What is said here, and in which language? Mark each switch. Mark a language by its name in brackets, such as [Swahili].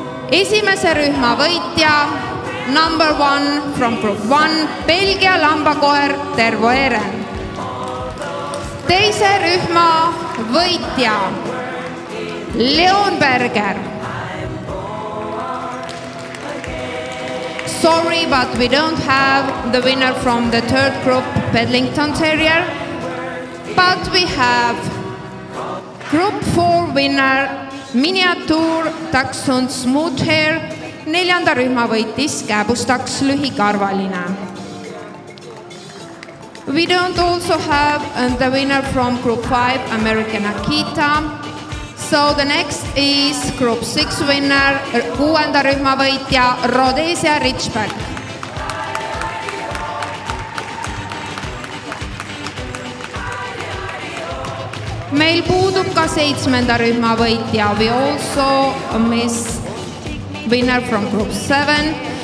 [Estonian] Esimese rühma võitja, [English] number one from group one, [Estonian] Belgia lambakoer Tervo Eeren. Teise rühma võitja, Leon Berger. [English] Sorry, but we don't have the winner from the third group, Pedlington Terrier. But we have group four winner, Miniatuur Dachshund Smooth Hair, [Estonian] neljanda rühma võitis Käbustaks lühikarvaline. [English] We don't also have the winner from group 5, American Akita. So the next is group 6 winner, [Estonian] kuuenda rühma võitja [English] Rhodesia Ridgeback. [Estonian] Meil puudub ka seitsmenda rühma võitja. [English] We also miss winner from group 7.